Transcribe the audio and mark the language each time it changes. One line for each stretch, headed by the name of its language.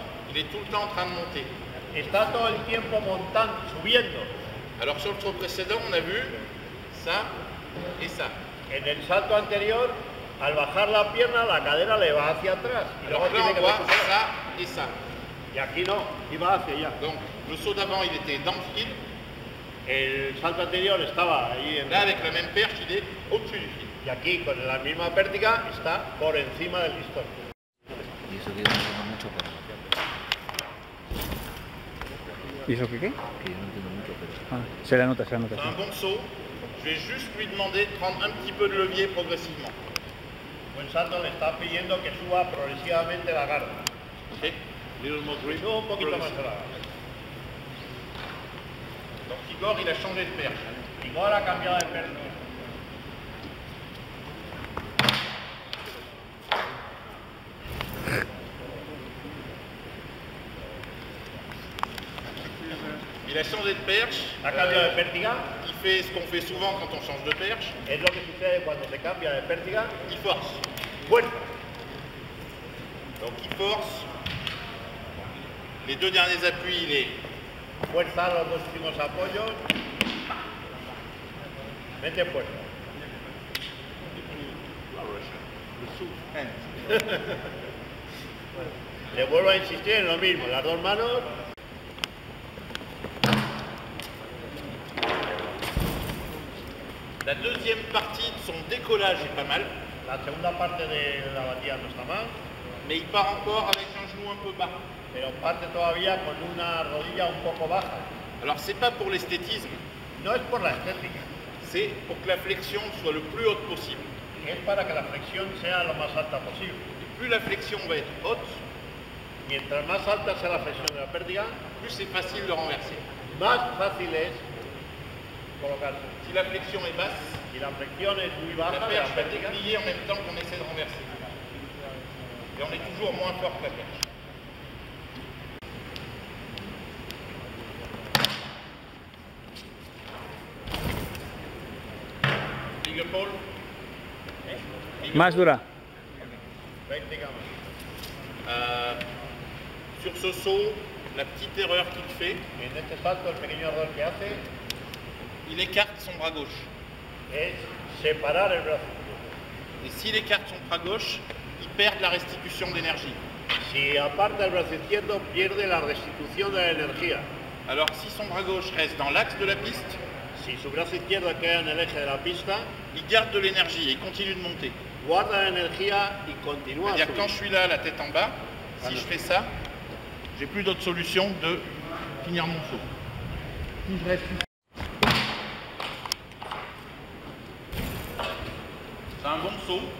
French: Il est tout le temps en train de monter.
Spanish: Está todo el tiempo montando, subiendo.
French: Alors sur le saut précédent, on a vu ça et ça.
Spanish: En el salto anterior, al bajar la pierna, la cadera le va hacia atrás.
French: Alors là, on voit ça et ça.
Spanish: Y aquí no, y va hacia allá.
French: Donc le saut d'avant, il était dans le fil.
Spanish: El salto anterior estaba ahí en
French: là, avec la même perche, il est au-dessus du fil.
Spanish: Y aquí, con la misma pértiga, está por encima del listón. Y eso que yo no entiendo mucho, pero... ¿Y eso que qué? Que yo no entiendo mucho, pero... Ah, se la nota, se la nota.
French: Un bon saut, je vais juste lui demander de prendre un petit peu de levier progressivement.
Spanish: Buen salto, le está pidiendo que suba progresivamente la garra. Sí, un poquito más la garra.
French: Donc Igor, il a changé de perche.
Spanish: Igor ha cambiado de perche.
French: Il a changé de perche.
Spanish: A cambio de pértiga.
French: Il fait ce qu'on fait souvent quand on change de perche.
Spanish: Es lo que sucede cuando se cambia de pértiga.
French: Il force.
Spanish: Bueno.
French: Donc il force. Les deux derniers appuis, il est.
Spanish: Fuerza los dos últimos apoyos. Mete fuerza. Le vuelvo a insistir en lo mismo, las dos manos.
French: La deuxième partie de son décollage est pas mal.
Spanish: La segunda parte de la batida no está mal.
French: Mais il part encore avec un genou un peu bas.
Spanish: Pero parte todavía con una rodilla un poco baja.
French: Alors c'est pas pour l'esthétisme.
Spanish: No es por la estética.
French: C'est pour que la flexion soit le plus haute possible.
Spanish: Es para que la flexión sea lo más alta posible.
French: Et plus la flexion va être haute,
Spanish: mientras más alta sea la flexión de la pérdida,
French: plus c'est facile de renverser.
Spanish: Más fácil es colocar.
French: Si la flexion est basse,
Spanish: si la flexión es muy baja,
French: la perche va plier en même temps qu'on essaie de renverser. Et on est toujours moins fort que la perche.
English: Big pole.
Spanish: Más dura.
French: Sur ce saut, la petite erreur qu'il fait.
Spanish: En este salto, el pequeño error que hace.
French: Il écarte son bras gauche.
Spanish: Es separar el brazo.
French: Et s'il écarte son bras gauche, il perd la restitution d'énergie.
Spanish: Si aparta el brazo izquierdo, pierde la restitución de la energía.
French: Alors si son bras gauche reste dans l'axe de la piste.
Spanish: Si su brazo izquierdo queda en el eje de la pista.
French: Il garde de l'énergie et continue de monter. Guarda l'énergie et continue à monter. Quand je suis là, la tête en bas, si je fais ça, j'ai plus d'autre solution de finir mon saut. Si je reste. C'est un bon saut.